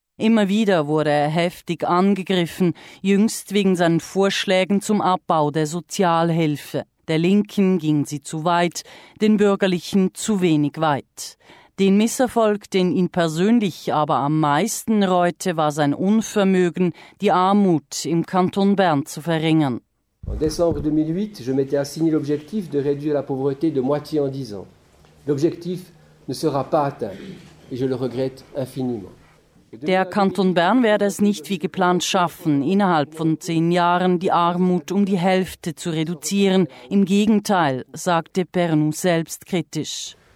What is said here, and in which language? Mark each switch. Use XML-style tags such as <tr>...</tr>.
<de>Immer wieder wurde er heftig angegriffen, jüngst wegen seinen Vorschlägen zum Abbau der Sozialhilfe. Der Linken ging sie zu weit, den Bürgerlichen zu wenig weit. Den Misserfolg, den ihn persönlich aber am meisten reute, war sein Unvermögen, die Armut im Kanton Bern zu verringern.</de> <fr>En décembre 2008, je m'étais assigné l'objectif de réduire la pauvreté de moitié en 10 ans. L'objectif ne sera pas atteint et je le regrette infiniment.</fr> <de>Der Kanton Bern werde es nicht wie geplant schaffen, innerhalb von 10 Jahren die Armut um die Hälfte zu reduzieren. Im Gegenteil, sagte Bechenu selbstkritisch.</de>